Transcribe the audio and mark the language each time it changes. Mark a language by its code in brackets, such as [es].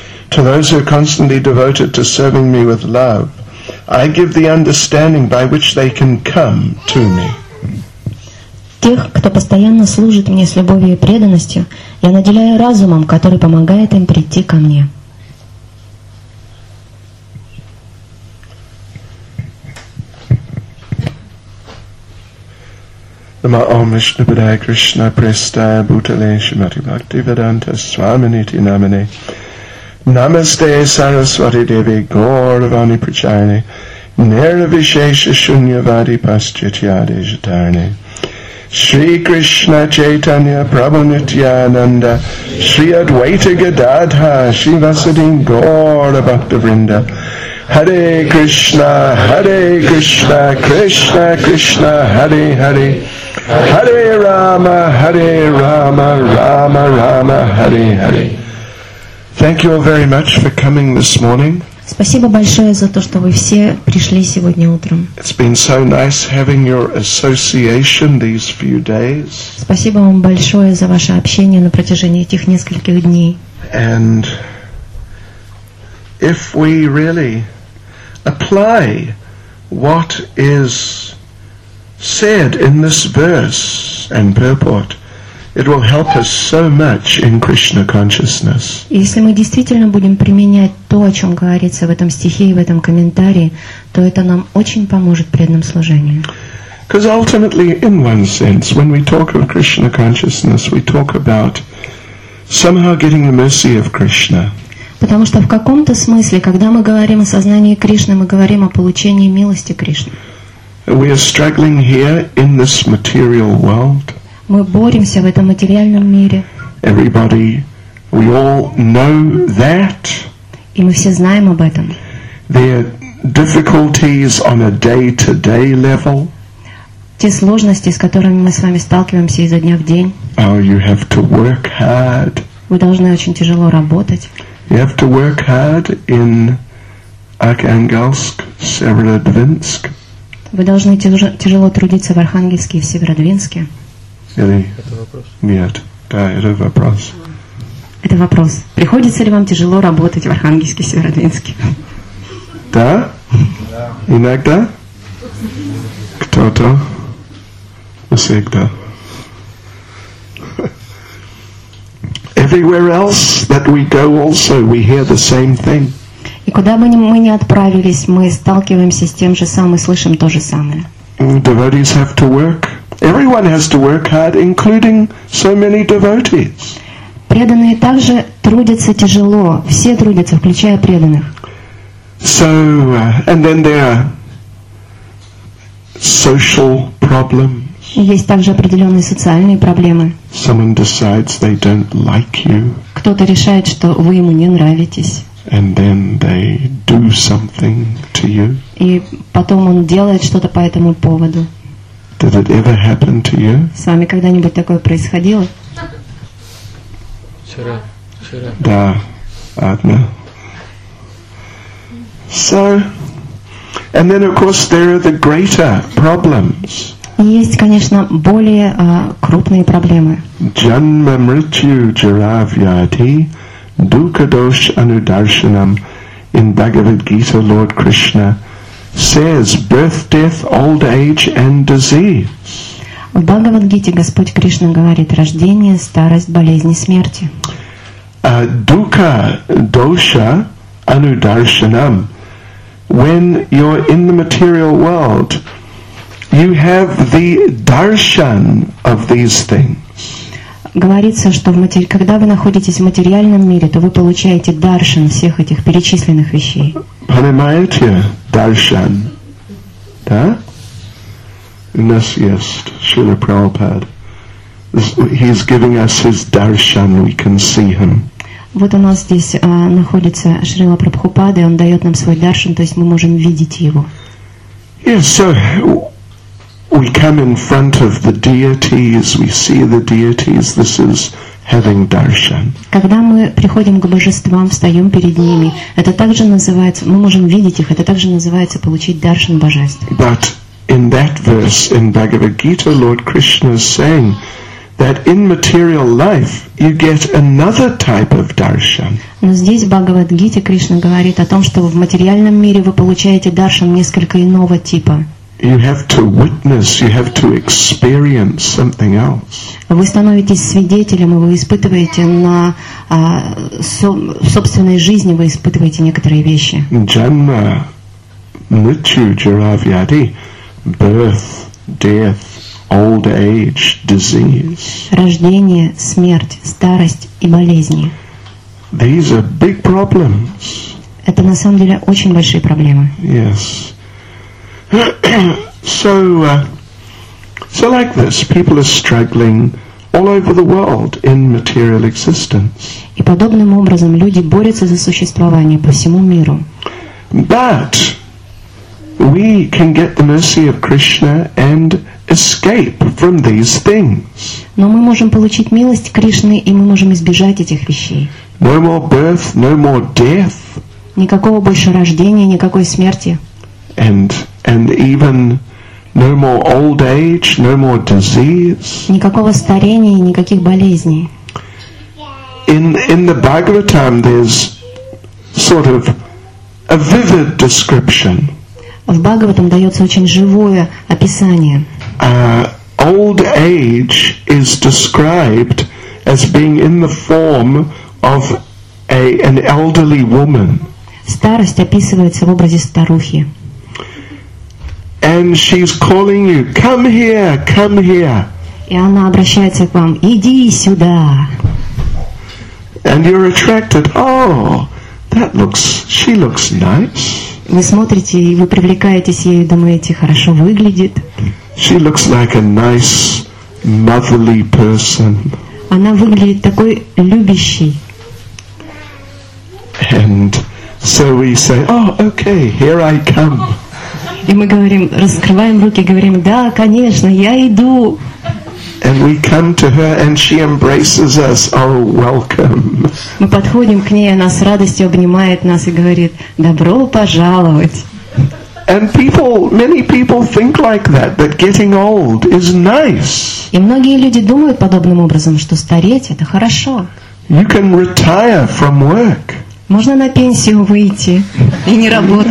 [en] To those who are constantly devoted to serving me with love, I give the understanding by which they can come to me. [ru] Тех, кто постоянно служит мне с любовью и преданностью, я наделяю разумом, который помогает им прийти ко мне. [sa] Нама Ом Вишну Падая Кришна Престая Бутале Шимати Бхакти Веданта Свамини Ти Намини. Намасте Сарасвати Деви Гауравани Прачарини. Нирвишеша Шуньявади Пасчитьяди Житарини. Шри Кришна Чайтанья Прабху Нитьянанда. Шри Адвайта Гададха Шивасадин Гауравакта Вринда. Hare Krishna, Hare Krishna, Krishna Krishna, Hare Hare. Hare Rama, Hare Rama, Rama Rama, Hare Hare. [en] Thank you all very much for coming this morning. [ru] Спасибо большое за то, что вы все пришли сегодня утром. [en] It's been so nice having your association these few days. [ru] Спасибо вам большое за ваше общение на протяжении этих нескольких дней. [en] And if we really apply what is said in this verse and purport, it will help us so much in Krishna consciousness. [ru] Если мы действительно будем применять то, о чем говорится в этом стихе и в этом комментарии, то это нам очень поможет в преданном служении. [en] Because ultimately, in one sense, when we talk of Krishna consciousness, we talk about somehow getting the mercy of Krishna. [ru] Потому что в каком-то смысле, когда мы говорим о сознании Кришны, мы говорим о получении милости Кришны. [en] We are struggling here in this material world. [ru] Мы боремся в этом материальном мире. [en] Everybody, we all know that. [ru] И мы все знаем об этом. [en] There are difficulties on a day-to-day level. [ru] Те сложности, с которыми мы с вами сталкиваемся изо дня в день. [en] Oh, you have to work hard. [ru] Вы должны очень тяжело работать. [en] You have to work hard in Arkhangelsk, Severodvinsk. [ru] Вы должны тяжело трудиться в Архангельске и в Северодвинске. Или нет? Да, это вопрос. Это вопрос. Приходится ли вам тяжело работать в Архангельске и Северодвинске? Да? Иногда? Кто-то? Всегда. [en] Everywhere else that we go also, we hear the same thing. [ru] И куда бы мы ни отправились, мы сталкиваемся с тем же самым, слышим то же самое. [en] Devotees have to work. Everyone has to work hard, including so many devotees. [ru] Преданные также трудятся тяжело. Все трудятся, включая преданных. [en] So, and then there are social problems. [ru] Есть также определенные социальные проблемы. [en] Someone decides they don't like you. [ru] Кто-то решает, что вы ему не нравитесь. [en] And then they do something to you. [ru] И потом он делает что-то по этому поводу. [en] Did it ever happen to you? [ru] С вами когда-нибудь такое происходило? Вчера. Вчера. Да, одна. [en] So, and then of course there are the greater problems. [ru] И есть, конечно, более крупные проблемы. [sa] Janma mrityu jara vyadhi dukha dosha anudarshanam. [en] In Bhagavad Gita, Lord Krishna says, birth, death, old age and disease. [ru] В Бхагавад Гите Господь Кришна говорит: рождение, старость, болезни, смерти. [sa] Dukha dosha anudarshanam. [en] When you're in the material world, you have the darshan of these things. [ru] Говорится, что когда вы находитесь в материальном мире, то вы получаете даршан всех этих перечисленных вещей. Понимаете? Даршан. Да? У нас есть Шрила Прабхупад. [en] He's giving us his darshan. We can see him. [ru] Вот у нас здесь находится Шрила Прабхупада, и он дает нам свой даршан, то есть мы можем видеть его. [en] Yes, so we come in front of the deities, we see the deities, this is having darshan. [ru] Когда мы приходим к божествам, встаем перед ними, это также называется, мы можем видеть их, это также называется получить даршан божеств. [en] But in that verse, in Bhagavad Gita, Lord Krishna is saying that in material life you get another type of darshan. [ru] Но здесь в Бхагавад Гите Кришна говорит о том, что в материальном мире вы получаете даршан несколько иного типа. [en] You have to witness, you have to experience something else. [ru] Вы становитесь свидетелем, и вы испытываете на собственной жизни, вы испытываете некоторые вещи. [sa] Janma, mrityu, jara, vyadhi, [en] birth, death, old age, disease. [ru] Рождение, смерть, старость и болезни. [en] These are big problems. [ru] Это на самом деле очень большие проблемы. [en] Yes. So like this, people are struggling all over the world in material existence. [ru] И подобным образом люди борются за существование по всему миру. [en] But we can get the mercy of Krishna and escape from these things. [ru] Но мы можем получить милость Кришны, и мы можем избежать этих вещей. [en] No more birth, no more death. [ru] Никакого больше рождения, никакой смерти. [en] And even no more old age, no more disease. [ru] Никакого старения, никаких болезней. [en] In the Bhagavatam there's sort of a vivid description. [ru] В Бхагаватам дается очень живое описание. [en] Old age is described as being in the form of an elderly woman. [ru] Старость описывается в образе старухи. [en] And she's calling you, come here, come here. [ru] И она обращается к вам, иди сюда. [en] And you're attracted, oh, that looks, she looks nice. [ru] Вы смотрите, и вы привлекаетесь ею, думаете, хорошо выглядит. [en] She looks like a nice, motherly person. [ru] Она выглядит такой любящей. [en] And so we say, oh, okay, here I come. [ru] И мы говорим, раскрываем руки, говорим, да, конечно, я иду. [en] And we come to her, and she embraces us. Oh, welcome! [ru] Мы подходим к ней, она с радостью обнимает нас и говорит: добро пожаловать. [en] And people, many people think like that, that getting old is nice. [ru] И многие люди думают подобным образом, что стареть это хорошо. [en] You can retire from work. [ru] Можно на пенсию выйти и не работать.